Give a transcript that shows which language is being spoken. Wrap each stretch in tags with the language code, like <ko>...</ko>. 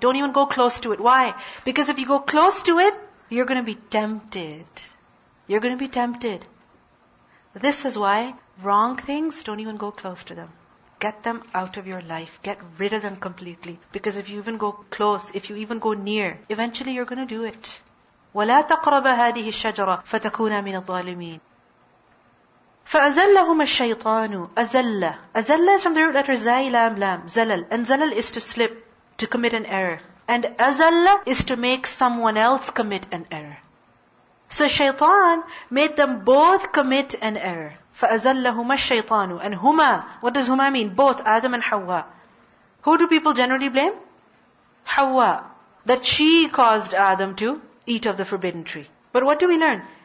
<en>Don't even go close to it. Why? Because if you go close to it, you're going to be tempted. You're going to be tempted. This is why wrong things, don't even go close to them. Get them out of your life. Get rid of them completely. Because if you even go close, if you even go near, eventually you're going to do it.</en> <ar>وَلَا تَقْرَبَ هَذِهِ الشَّجَرَةَ فَتَكُونَ مِنَ الظَّالِمِينَ فَأَزَلَّهُمَ الشَّيْطَانُ أَزَلَّ أَزَلَّ</ar> <en>is from the root letter</en> <ar>زَي لَام لَام زَلَل, and زَلَل</ar> <en>is to slip, to commit an error. And أَزَلَّ is to make someone else commit an error. So shaytan made them both commit an error.</en> <ar>فَأَزَلَّهُمَ الشَّيْطَانُ,</ar> <en>and هُمَا, what does هُمَا mean? Both Adam and Hawa. Who do people generally blame? Hawa, that she caused Adam to eat of the forbidden tree. But what do we learn?</en>